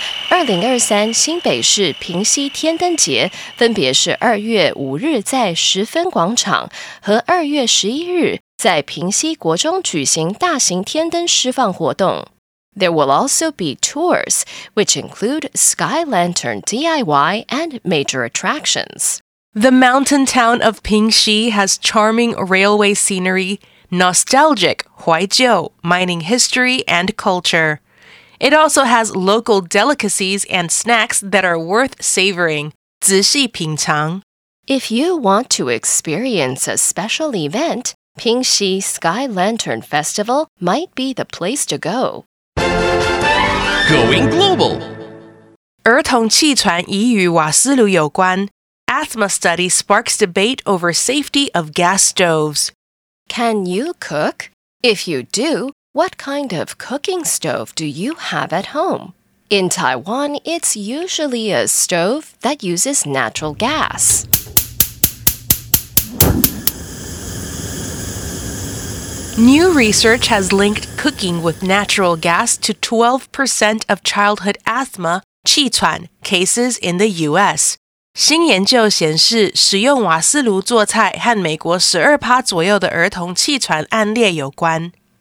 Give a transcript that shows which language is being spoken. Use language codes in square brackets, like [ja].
[zh] 2023新北市平西天灯节分别是2月5日在十分广场和2月11日在平西国中举行大型天灯释放活动。 [en] There will also be tours, which include Sky Lantern DIY and major attractions. The mountain town of Pingxi has charming railway scenery, nostalgic 怀旧 mining history and culture. It also has local delicacies and snacks that are worth savoring. [zh] 仔细品尝. [en] If you want to experience a special event, Pingxi Sky Lantern Festival might be the place to go. Going global. [zh] 儿童气喘已与瓦斯炉有关。 [en] Asthma study sparks debate over safety of gas stoves. Can you cook? If you do, what kind of cooking stove do you have at home? In Taiwan, it's usually a stove that uses natural gas. New research has linked cooking with natural gas to 12% of childhood asthma, 气喘, cases in the U.S. [zh] 新研究显示使用瓦斯炉做菜和美国 12% 左右的儿童气喘案例有关。